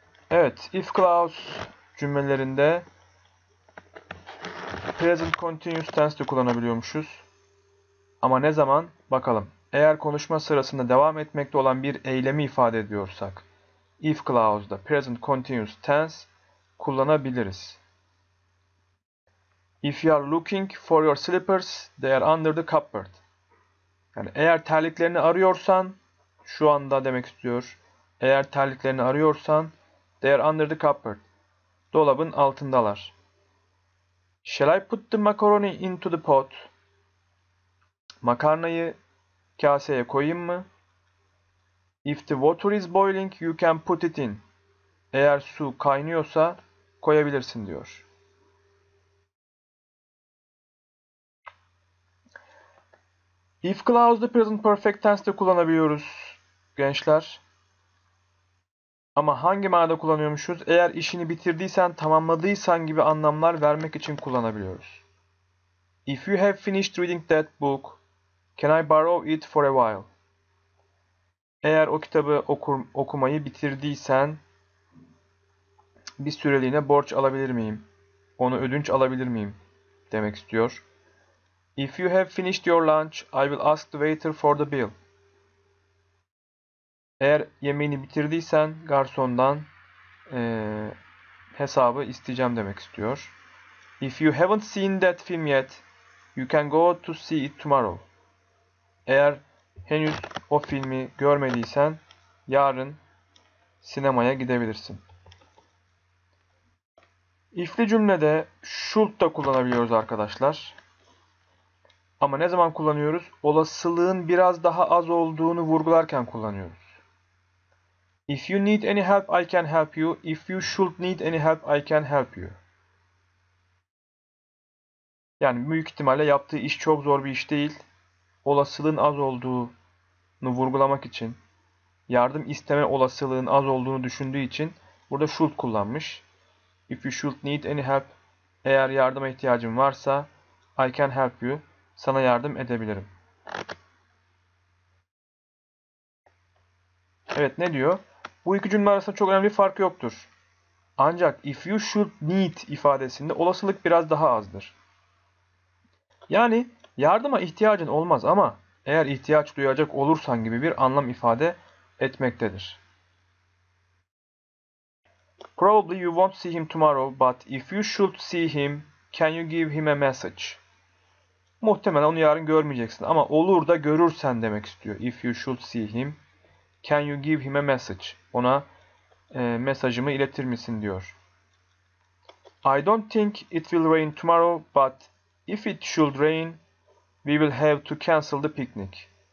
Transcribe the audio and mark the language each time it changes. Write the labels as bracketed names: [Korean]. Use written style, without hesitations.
[Turkish] Evet, if clause cümlelerinde present continuous tense de kullanabiliyormuşuz. Ama ne zaman? Bakalım. Eğer konuşma sırasında devam etmekte olan bir eylemi ifade ediyorsak, if clause'da present continuous tense kullanabiliriz. [English] If you are looking for your slippers, they are under the cupboard. [Turkish] Yani eğer terliklerini arıyorsan, şu anda demek istiyor. Eğer terliklerini arıyorsan, [English] they are under the cupboard. [Turkish] Dolabın altındalar. [English] Shall I put the macaroni into the pot? [Turkish] Makarnayı kaseye koyayım mı? [English] If the water is boiling, you can put it in. [Turkish] Eğer su kaynıyorsa koyabilirsin diyor. If clause'da present perfect tense de kullanabiliyoruz gençler. Ama hangi manada kullanıyormuşuz? Eğer işini bitirdiysen, tamamladıysan gibi anlamlar vermek için kullanabiliyoruz. [English] If you have finished reading that book, can I borrow it for a while? [Turkish] Eğer o kitabı okumayı bitirdiysen bir süreliğine borç alabilir miyim? Onu ödünç alabilir miyim? Demek istiyor. [English] If you have finished your lunch, I will ask the waiter for the bill. [Turkish] Eğer yemeğini bitirdiysen garsondan hesabı isteyeceğim demek istiyor. [English] If you haven't seen that film yet, you can go to see it tomorrow. [Turkish] Eğer henüz o filmi görmediysen, yarın sinemaya gidebilirsin. İfli cümlede should da kullanabiliyoruz arkadaşlar. Ama ne zaman kullanıyoruz? Olasılığın biraz daha az olduğunu vurgularken kullanıyoruz. [English] If you need any help, I can help you. If you should need any help, I can help you. [Turkish] Yani büyük ihtimalle yaptığı iş çok zor bir iş değil. Olasılığın az olduğunu vurgulamak için, yardım isteme olasılığın az olduğunu düşündüğü için burada should kullanmış. [English] If you should need any help, [Turkish] eğer yardıma ihtiyacın varsa, [English] I can help you, [Turkish] sana yardım edebilirim. Evet, ne diyor? Bu iki cümle arasında çok önemli bir fark yoktur. Ancak [English] if you should need [Turkish] ifadesinde olasılık biraz daha azdır. Yani yardıma ihtiyacın olmaz ama eğer ihtiyaç duyacak olursan gibi bir anlam ifade etmektedir. [English] Probably you won't see him tomorrow, but if you should see him, can you give him a message? [Turkish] Muhtemelen onu yarın görmeyeceksin ama olur da görürsen demek istiyor. [English] If you should see him, can you give him a message? [Turkish] Ona mesajımı iletir misin diyor. [English] I don't think it will rain tomorrow, but if it should rain, we will have to cancel the picnic.